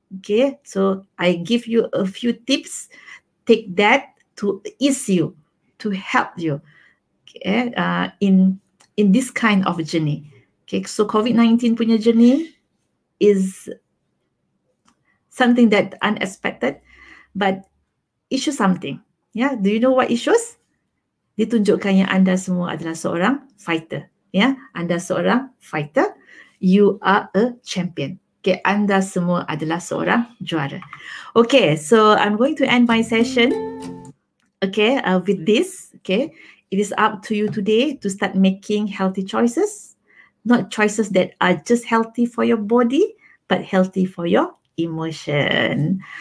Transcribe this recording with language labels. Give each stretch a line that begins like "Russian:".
English: Okay, so I give you a few tips. Take that to ease you, to help you, okay, in this kind of journey. Okay, so COVID-19 punya journey is something that unexpected, but issue something. Yeah, do you know what issues?
Malay: Ditunjukkan yang anda semua adalah seorang fighter. Yeah, anda seorang fighter.
English: You are a champion. Okay,
Malay: anda semua adalah seorang juara.
English: Okay, so I'm going to end my session. Okay, with this. Okay, it is up to you today to start making healthy choices. Not choices that are just healthy for your body, but healthy for your emotion.